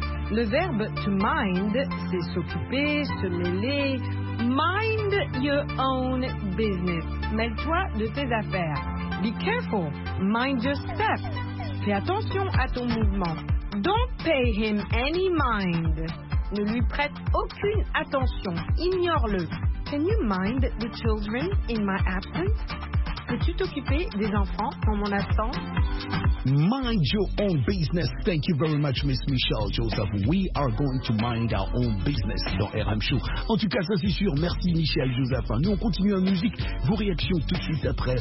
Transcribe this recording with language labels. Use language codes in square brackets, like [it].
[fr] Le verbe to mind, c'est s'occuper, se mêler. [en] Mind your own business. [fr] Mêle-toi de tes affaires. [en] Be careful. Mind your step. [fr] Fais attention à ton mouvement. [en] Don't pay him any mind. [fr] Ne lui prête aucune attention. Ignore-le. [en] Can you mind the children in my absence? [fr] Peux-tu t'occuper des enfants en mon absence? [en] Mind your own business. Thank you very much, Miss Michelle Joseph. We are going to mind our own business dans RM Show. [fr] En tout cas, ça c'est sûr. Merci, Michelle Joseph. Nous, on continue en musique. Vos réactions tout de suite après.